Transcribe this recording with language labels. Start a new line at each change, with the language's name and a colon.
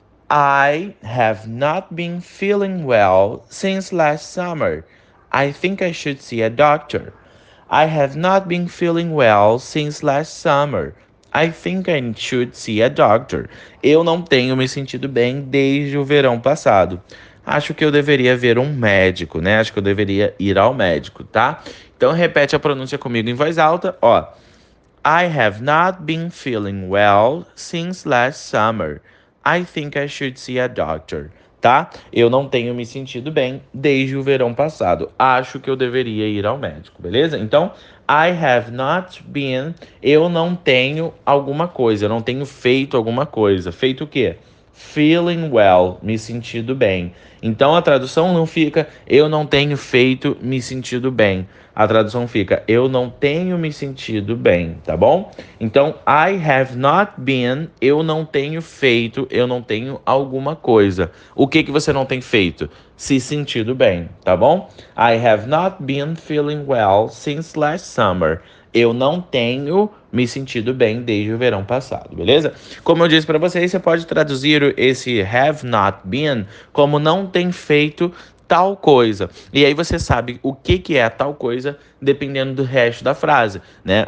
English: I have not been feeling well since last summer. I think I should see a doctor. I have not been feeling well since last summer. I think I should see a doctor.
Portuguese: Eu não tenho me sentido bem desde o verão passado. Acho que eu deveria ver um médico, né? Acho que eu deveria ir ao médico, tá? Então, repete a pronúncia comigo em voz alta, ó.
English: I have not been feeling well since last summer. I think I should see a doctor, tá?
Portuguese: Eu não tenho me sentido bem desde o verão passado. Acho que eu deveria ir ao médico, beleza? Então,
English: I have not been,
Portuguese: eu não tenho alguma coisa, eu não tenho feito alguma coisa. Feito o quê?
English: Feeling well,
Portuguese: me sentindo bem. Então, a tradução não fica, eu não tenho feito me sentindo bem. A tradução fica, eu não tenho me sentido bem, tá bom? Então,
English: I have not been,
Portuguese: eu não tenho feito, eu não tenho alguma coisa. O que que você não tem feito? Se sentido bem, tá bom?
English: I have not been feeling well since last summer.
Portuguese: Eu não tenho me sentido bem desde o verão passado, beleza? Como eu disse para vocês, você pode traduzir esse
English: have not been
Portuguese: como não tem feito tal coisa. E aí você sabe o que, que é tal coisa dependendo do resto da frase, né?